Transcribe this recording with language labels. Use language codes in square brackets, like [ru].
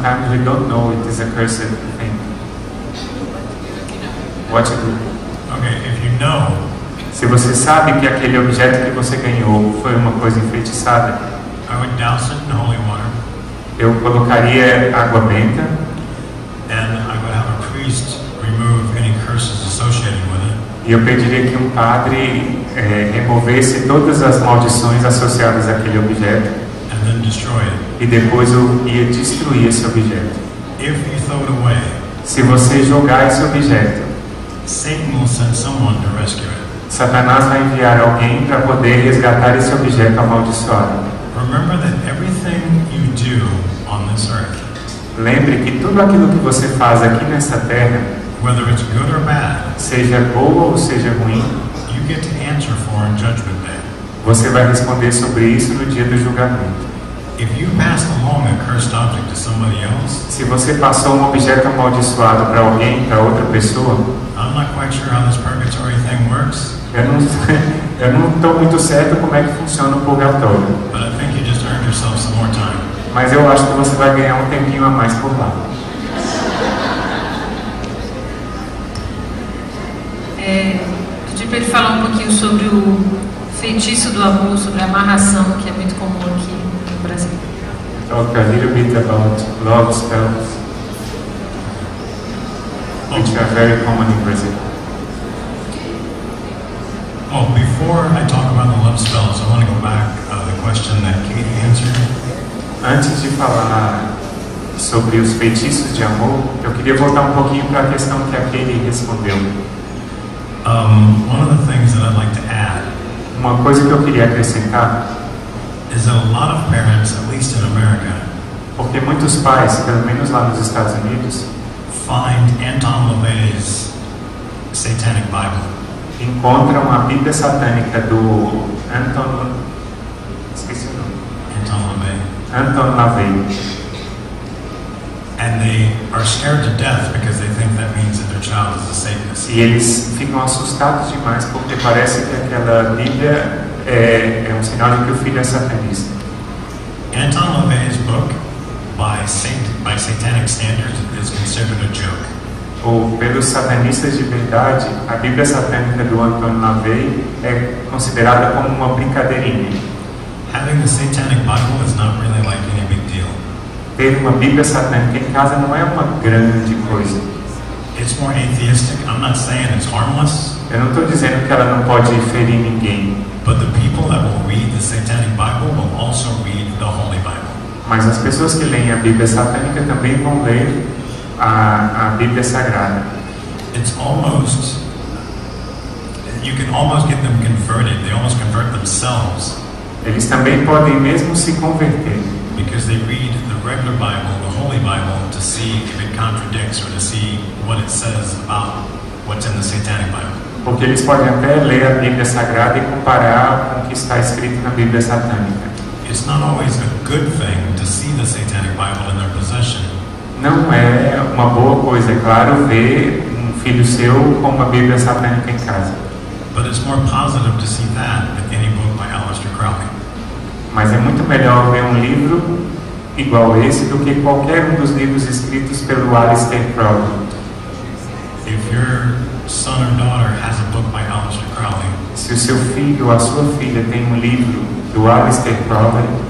[en] we don't know it is a cursed thing. What to do? Okay, if you know. [pt] Se você sabe que aquele objeto que você ganhou foi uma coisa enfeitiçada, [en] I would douse it in holy water, [pt] eu colocaria água benta, [en] and I would have a priest remove any curses associated with it, [pt] e eu pediria que um padre removesse todas as maldições associadas àquele objeto, [en] and then destroy it. [pt] E depois eu ia destruir esse objeto. [en] If you throw it away, [pt] se você jogar esse objeto, [en] Satan will send someone to rescue it. [pt] Satanás vai enviar alguém para poder resgatar esse objeto amaldiçoado. [en] Remember that everything you do on this earth, [pt] lembre que tudo aquilo que você faz aqui nessa terra, [en] whether it's good or bad, [pt] seja boa ou seja ruim, [en] you get to answer for in judgment day. [pt] Você vai responder sobre isso no dia do julgamento. [en] If you pass along a cursed object to somebody else, [pt] se você passou um objeto amaldiçoado para alguém, para outra pessoa, [en] I'm not quite sure how this purgatory thing works. [pt] Eu não estou muito certo como é que funciona o purgatório. [en] But I think you just earned yourself some more time. [pt] Mas eu acho que você vai ganhar um tempinho a mais por lá. Pedi para ele falar um pouquinho sobre o feitiço do amor, sobre a amarração, que é muito comum aqui no Brasil. [en] Talk a little bit about love spells. Which are very common in Brazil. Well, before I talk about the love spells, I want to go back to the question that Katie answered. [pt] Antes de falar sobre os feitiços de amor, eu queria voltar um pouquinho para a questão que a Katie respondeu. [en] One of the things that I'd like to add. [pt] Uma coisa que eu queria acrescentar. [en] Is that a lot of parents, at least in America. [pt] Porque muitos pais, pelo menos lá nos Estados Unidos. [en] Find Anton LaVey's Satanic Bible. [pt] Encontram a Bíblia satânica do Anton. Esqueci o nome. Anton LaVey. [en] And they are scared to death because they think that means that their child is a Satanist. [pt] E eles ficam assustados demais porque parece que aquela Bíblia é um sinal de que o filho é satanista. [en] Anton LaVey's book. By satanic standards, is considered a joke. [pt] Ou pelos satanistas de verdade, a Bíblia satânica do Anton LaVey é considerada como uma brincadeirinha. [en] Having a satanic Bible is not really like any big deal. [pt] Ter uma Bíblia satânica em casa não é uma grande coisa. [en] It's more atheistic. I'm not saying it's harmless. [pt] Eu não estou dizendo que ela não pode ferir ninguém. [en] But the people that will read the satanic Bible will also read the Holy Bible. [pt] Mas as pessoas que leem a Bíblia satânica também vão ler a Bíblia Sagrada. [en] It's almost, you can almost get them converted. They almost convert themselves. [pt] Eles também podem mesmo se converter. [en] Because they read the regular Bible, the Holy Bible to see if it contradicts or to see what it says about what's in the Satanic Bible. [pt] Porque eles podem até ler a Bíblia Sagrada e comparar com o que está escrito na Bíblia Satânica. [en] It's not always a good thing to see the Satanic Bible in their possession. [pt] Não é uma boa coisa, é claro, ver um filho seu com uma Bíblia Satânica em casa. [en] But it's more positive to see that than any book by Aleister Crowley. [pt] Mas é muito melhor ver um livro igual a esse do que qualquer um dos livros escritos pelo Aleister Crowley. [en] If your son or daughter has a book by Aleister Crowley, [pt] se o seu filho ou a sua filha tem um livro do Aleister Crowley,